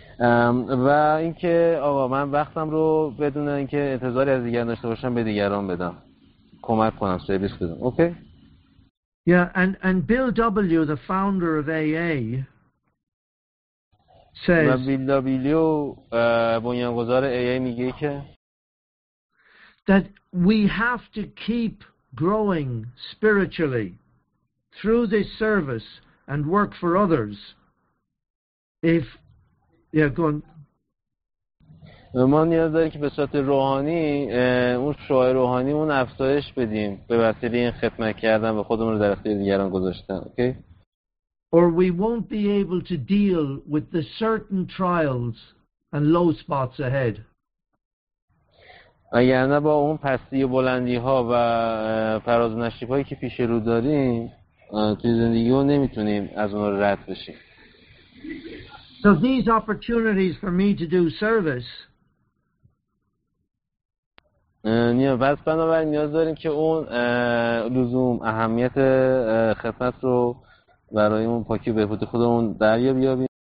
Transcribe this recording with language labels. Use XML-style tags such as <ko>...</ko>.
<fa>و اینکه آقا من وقتم رو بدون اینکه انتظاری از دیگران داشته باشم به دیگران بدم کمک کنم سرویس بدم اوکی</fa> <en>یا and Bill W the founder of AA says</en> <fa>و بیل دبلیو بنیانگذار AA میگه که</fa> <en>that we have to keep growing spiritually through this service and work for others if</en> <fa>ما نیاز داریم که به صورت روحانی اون شعای روحانی اون افزایش بدیم به وسیله این خدمت کردن و خودمون رو در اختیار دیگران گذاشتن اوکی</fa> <en>or we won't be able to deal with the certain trials and low spots ahead</en> <fa>اگر نه با اون پستی و بلندی ها و فراز و نشیب هایی که پیش رو داریم توی زندگی رو نمیتونیم از اون رد بشیم</fa> <en>So these opportunities for me to do service.</en> <fa>نیاز باز بنابراین نیاز داریم که اون لزوم اهمیت خدمت رو برای اون پاکی به خود خودمون دریابیم.</fa>